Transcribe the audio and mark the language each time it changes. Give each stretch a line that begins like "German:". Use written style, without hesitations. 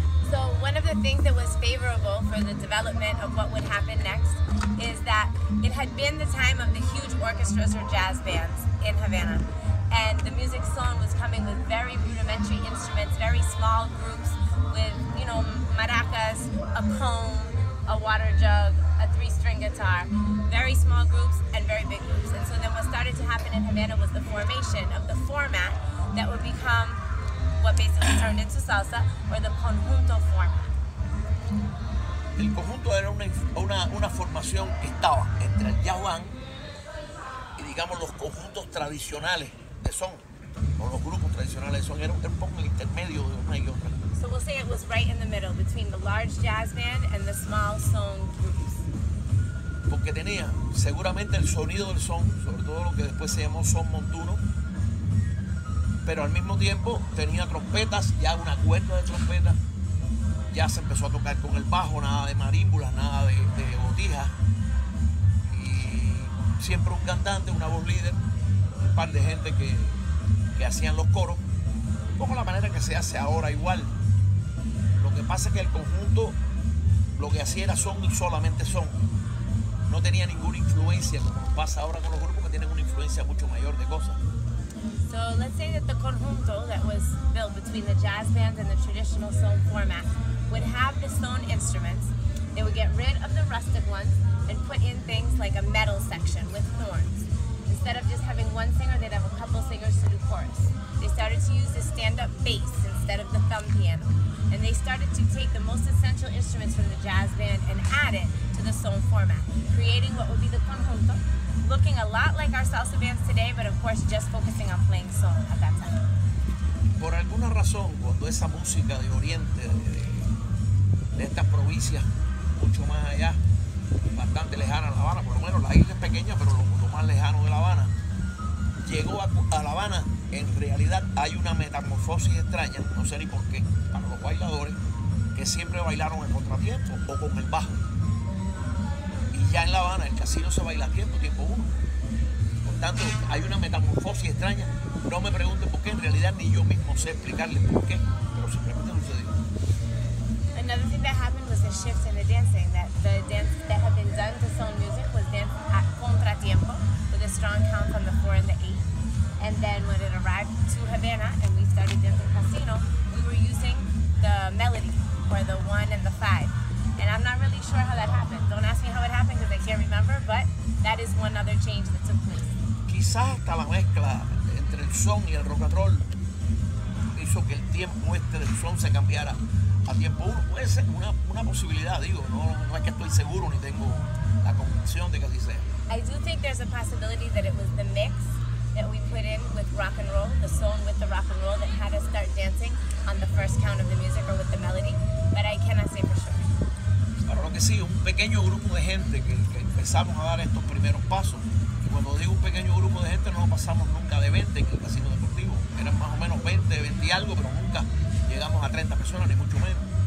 English: So one of the things that was favorable for the development of what would happen next is that it had been the time of the huge orchestras or jazz bands in Havana, and the music song was coming with very rudimentary instruments, very small groups with, you know, maracas, a comb, a water jug, a three-string guitar, very small groups and very big groups. And so then what started to happen in Havana was the formation of the format that would become what basically turned into salsa, or the conjunto format.
Spanish: El conjunto era una formación que estaba entre el jazz band y, digamos, los conjuntos tradicionales de son, o los grupos tradicionales de son. Era un poco el intermedio de una y otra.
English: So we'll say it was right in the middle between the large jazz band and the small son groups.
Spanish: Porque tenía seguramente el sonido del son, sobre todo lo que después se llamó son montuno, pero al mismo tiempo tenía trompetas, ya una cuerda de trompetas, ya se empezó a tocar con el bajo, nada de marímbulas, nada de botijas, y siempre un cantante, una voz líder, un par de gente que hacían los coros, como la manera que se hace ahora igual. Lo que pasa es que el conjunto lo que hacía era son y solamente son, no tenía ninguna influencia, como pasa ahora con los grupos que tienen una influencia mucho mayor de cosas.
English: So let's say that the conjunto that was built between the jazz band and the traditional son format would have the son instruments. They would get rid of the rustic ones and put in things like a metal section with horns. Instead of just having one singer, they'd have a couple singers to do chorus. They started to use the stand-up bass instead of the thumb piano. And they started to take the most essential instruments from the jazz band and add it to the son format, creating what would be the conjunto, looking a lot like our salsa bands today, but of course just focusing on playing son at that time.
Spanish: Por alguna razón, cuando esa música de Oriente, de estas provincias, mucho más allá, bastante lejana a La Habana, por lo menos la isla es pequeña, pero lo más lejano de La Habana, llegó a La Habana, en realidad hay una metamorfosis extraña, no sé ni por qué, para los bailadores, que siempre bailaron en contratiempo o con el bajo. Y ya en La Habana, el casino se baila a tiempo, tiempo uno. Por tanto, hay una metamorfosis extraña, no me pregunten por qué, en realidad ni yo mismo sé explicarle por qué, pero simplemente sucedió.
English: Another thing that happened was a shift in the dancing, that the dance that had been done to son music was danced at contratiempo with a strong count on the 4 and the 8. And then when it arrived to Havana and we started dancing casino, we were using the melody for the 1 and the 5. And I'm not really sure how that happened. Don't ask me how it happened because I can't remember, but that is one other change that took place.
Spanish: Quizás hasta la mezcla entre el son y el rock and roll hizo que el tiempo este del son se cambiara a tiempo uno. Puede ser una posibilidad, digo, no es que estoy seguro ni tengo la convicción de que así sea.
English: I do think there's a possibility that it was the mix that we put in with rock and roll, the song with the rock and roll that had us start dancing on the first count of the music or with the melody, but I cannot say for sure.
Spanish: Pero lo que sí, un pequeño grupo de gente que empezamos a dar estos primeros pasos, y cuando digo un pequeño grupo de gente no pasamos nunca de 20 en el casino deportivo, eran más o menos 20, 20 y algo, pero nunca llegamos a 30 personas, ni mucho menos.